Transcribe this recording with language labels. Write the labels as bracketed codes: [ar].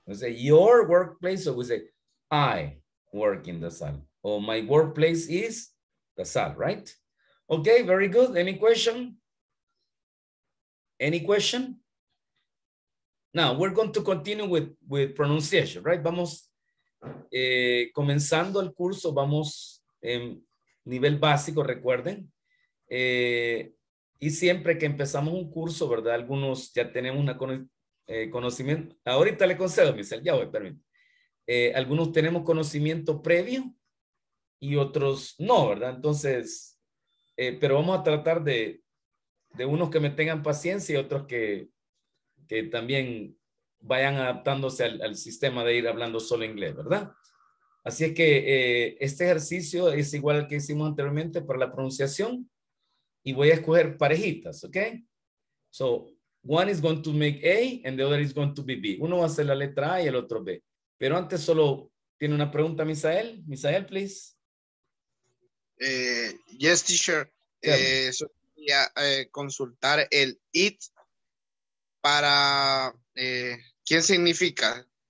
[en] We say your workplace, so we say I work in the sal. Oh, my workplace is the sal, right? Okay, very good. Any question? Any question? Now, we're going to continue with pronunciation, right? [es] Vamos. Comenzando el curso, vamos en nivel básico, recuerden. Y siempre que empezamos un curso, ¿verdad? Algunos ya tenemos un conocimiento. Ahorita le concedo, Michelle, ya voy, permítame. Algunos tenemos conocimiento previo y otros no, ¿verdad? Entonces, pero vamos a tratar de unos que me tengan paciencia y otros que también vayan adaptándose al sistema de ir hablando solo inglés, ¿verdad? Así es que este ejercicio es igual al que hicimos anteriormente para la pronunciación y voy a escoger parejitas, ¿ok? [en] So, one is going to make A and the other is going to be B. [es] Uno va a hacer la letra A y el otro B. Pero antes solo tiene una pregunta, Misael. Misael, please. [en] Yes, teacher. [es] Consultar el it para... ¿quién significa?